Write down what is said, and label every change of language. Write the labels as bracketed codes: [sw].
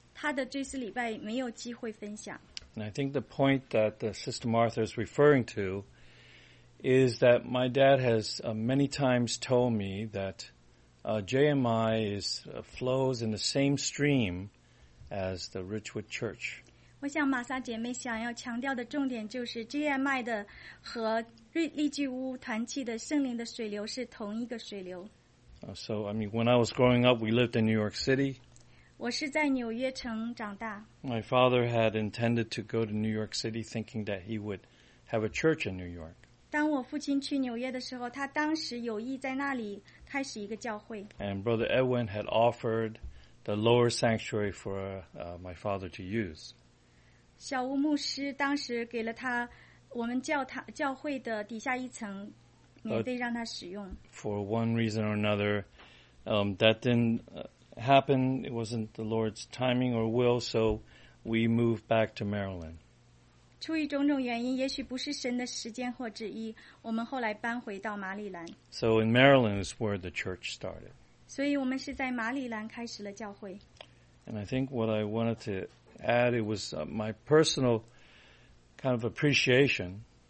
[zh] 我想要强调的重点就是在今天早上我所分享的我的父亲是因为关于他的事情是因为我在他的这次礼拜没有机会分享。 [en] And I think the point that Sister Martha is referring to is that my dad has many times told me that JMI flows in the same stream as the Richwood Church. [zh] 我想玛莎姐妹想要强调的重点就是JMI的和丽居屋团契的圣灵的水流是同一个水流。 [en] So, I mean, when I was growing up, we lived in New York City. [zh] 我是在纽约城长大。 [en] My father had intended to go to New York City thinking that he would have a church in New York. [zh] 当我父亲去纽约的时候，他当时有意在那里开始一个教会。 [en] And Brother Edwin had offered the lower sanctuary for my father to use. [zh] 小吴牧师当时给了他我们教会的底下一层免费让他使用。 [en] But for one reason or another, that didn't happen. It wasn't the Lord's timing or will, so we moved back to Maryland. [zh] 出于种种原因，也许不是神的时间或旨意，我们后来搬回到马里兰。 [en] So in Maryland is where the church started. [zh] 所以我们是在马里兰开始了教会。 [en] And I think what I wanted to add, it was my personal kind of appreciation.